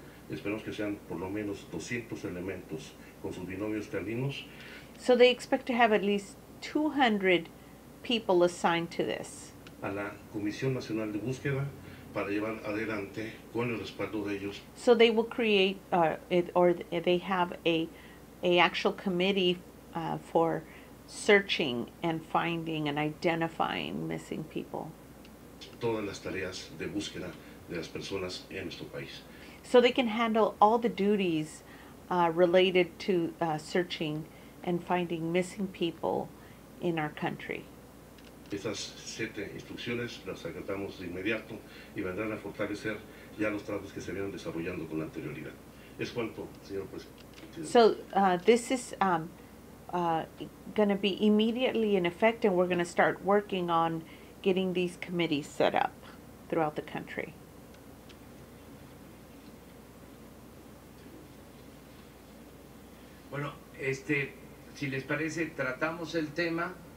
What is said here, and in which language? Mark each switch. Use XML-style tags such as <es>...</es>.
<es>Esperamos que sean por lo menos 200 elementos con sus binomios terminos.</es> <en>So they expect to have at least 200 people assigned to this.</en> <es>A la Comisión Nacional de Búsqueda para llevar adelante con el respaldo de ellos.</es> <en>So they will create they have a actual committee for searching and finding and identifying missing people.</en> <es>Todas las tareas de búsqueda de las personas en nuestro país.</es> <en>So they can handle all the duties related to searching and finding missing people in our country.</en> <es>Estas siete instrucciones las acatamos de inmediato y vendrán a fortalecer ya los trabajos que se vienen desarrollando con anterioridad. Es cuanto, señor presidente.</es> <en>So this is going to be immediately in effect, and we're going to start working on getting these committees set up throughout the country.</en> <es>Bueno, si les parece, tratamos el tema.</es>